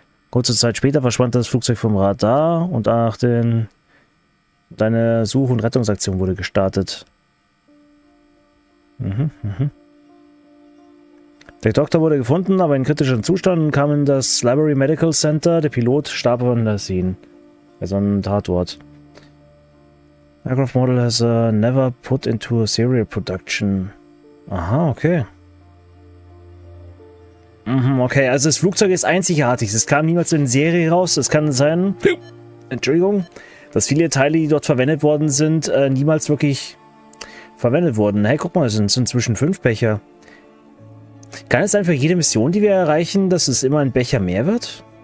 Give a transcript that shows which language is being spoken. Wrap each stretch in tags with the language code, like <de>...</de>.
<de>Kurze Zeit später verschwand das Flugzeug vom Radar und deine Such- und Rettungsaktion wurde gestartet. Der Doktor wurde gefunden, aber in kritischem Zustand und kam in das Library Medical Center. Der Pilot starb an der Scene. Also ein Tatort.</de> <en>Aircraft model has never put into a serial production.</en> <de>Aha, okay. Okay, also das Flugzeug ist einzigartig. Es kam niemals in Serie raus. Es kann sein, Entschuldigung, dass viele Teile, die dort verwendet worden sind, niemals wirklich verwendet wurden. Hey, guck mal, es sind inzwischen 5 Becher. Kann es sein, für jede Mission, die wir erreichen, dass es immer ein Becher mehr wird?</de>